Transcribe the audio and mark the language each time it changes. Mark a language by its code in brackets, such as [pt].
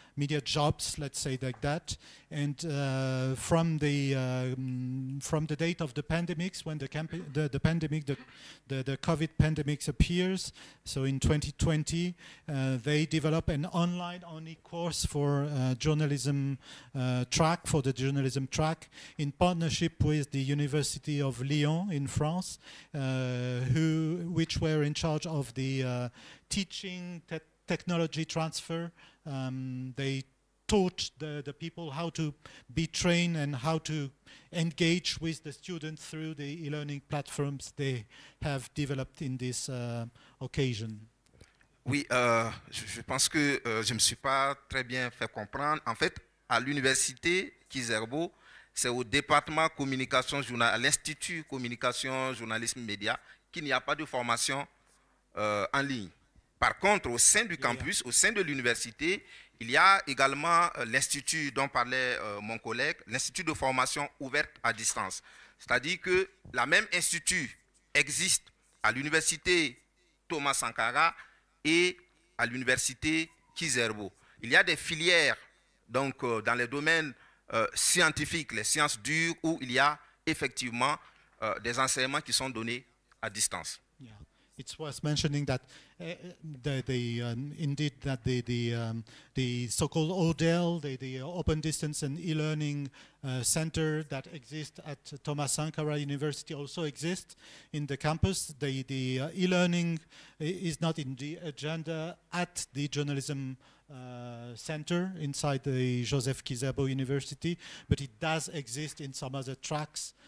[en] Media jobs, let's say like that, and from the date of the pandemics, when the COVID pandemics appears, so in 2020, they develop an online only course for journalism track for the journalism track in partnership with the University of Lyon in France, which were in charge of the teaching technology transfer. They taught the people how to be trained and how to engage with the students through the e-learning platforms they have developed in this occasion. [fr] Oui, je pense que je me suis pas très bien fait comprendre. En fait, à l'université Kizerbo, c'est au département communication journal, à l'institut communication journalisme média, qu'il n'y a pas de formation en ligne. Par contre, au sein du campus, au sein de l'université, il y a également l'institut dont parlait mon collègue, l'institut de formation ouverte à distance. C'est-à-dire que la même institut existe à l'université Thomas Sankara et à l'université Kizerbo. Il y a des filières donc, dans les domaines scientifiques, les sciences dures, où il y a effectivement des enseignements qui sont donnés à distance. [en] It's worth mentioning that the so-called ODEL, the Open Distance and E-Learning Center that exists at Thomas Sankara University also exists in the campus. The e-learning is not in the agenda at the journalism center inside the Joseph Kizerbo University, but it does exist in some other tracks.